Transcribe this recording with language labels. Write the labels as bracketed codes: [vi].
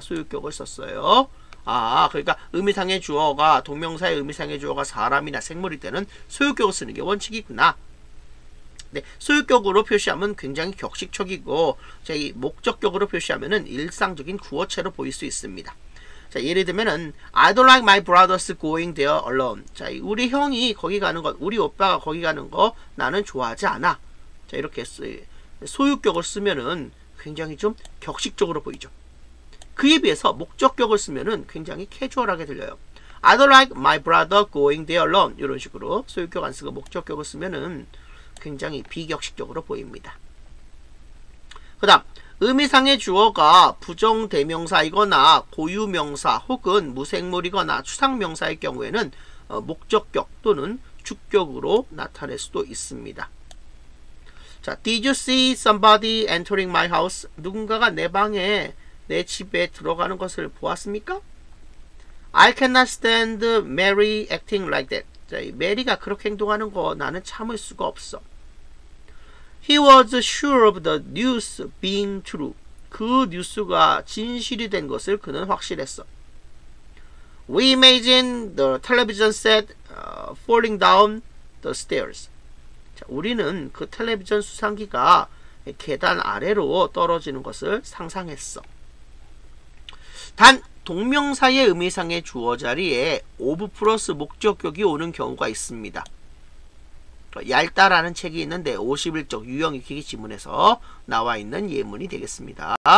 [ko] 소유격을 썼어요. 아, 그러니까 의미상의 주어가 동명사의 의미상의 주어가 사람이나 생물일 때는 소유격을 쓰는 게 원칙이구나. 네, 소유격으로 표시하면 굉장히 격식적이고 저희 목적격으로 표시하면은 일상적인 구어체로 보일 수 있습니다. 자, 예를 들면은 [en] I don't like my brothers going there alone. [ko] 자, 우리 형이 거기 가는 거, 우리 오빠가 거기 가는 거 나는 좋아하지 않아. 자, 이렇게 소유격을 쓰면은 굉장히 좀 격식적으로 보이죠. 그에 비해서 목적격을 쓰면은 굉장히 캐주얼하게 들려요. [en] I don't like my brother going there alone. [ko] 이런 식으로 소유격 안 쓰고 목적격을 쓰면은 굉장히 비격식적으로 보입니다. 그 다음 의미상의 주어가 부정대명사이거나 고유명사 혹은 무생물이거나 추상명사의 경우에는 목적격 또는 주격으로 나타낼 수도 있습니다. [en] 자, Did you see somebody entering my house? [ko] 누군가가 내 방에, 내 집에 들어가는 것을 보았습니까? [en] I cannot stand Mary acting like that. [ko] 자, 메리가 그렇게 행동하는 거 나는 참을 수가 없어. [en] He was sure of the news being true. [ko] 그 뉴스가 진실이 된 것을 그는 확실했어. [en] We imagine the television set falling down the stairs. [ko] 자, 우리는 그 텔레비전 수상기가 계단 아래로 떨어지는 것을 상상했어. 단, 동명사의 의미상의 주어 자리에 of 플러스 목적격이 오는 경우가 있습니다. 얇다라는 책이 있는데 51쪽 유형익히기 지문에서 나와 있는 예문이 되겠습니다.